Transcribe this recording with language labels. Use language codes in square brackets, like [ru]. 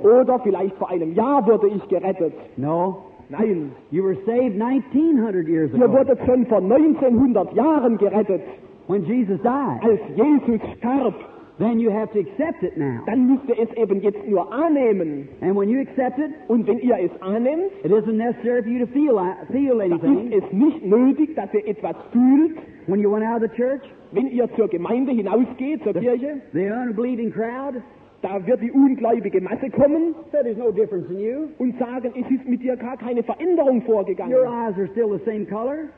[de] Oder vielleicht vor einem Jahr wurde ich gerettet. [en] No. [de] Nein. [en] You were saved 1900 years ago. [de] Ihr wurdet schon vor 1900 Jahren gerettet. [en] When Jesus died. [de] Als Jesus starb. [en] Then you have to accept it now. [de] Dann müsst ihr es eben jetzt nur annehmen. [en] And when you accept it, [de] und wenn ihr es annimmt, [en] it isn't necessary for you to feel anything. [de] Es ist nicht nötig, dass ihr etwas fühlt. [en] When you went out of the church, [de] wenn ihr zur Gemeinde hinausgeht, zur Kirche, [en] the unbelieving crowd, [de] da wird die ungläubige Masse kommen, [en] there is no difference in you, [de] und sagen, es ist mit dir gar keine Veränderung vorgegangen. [en] Your eyes are still the same color.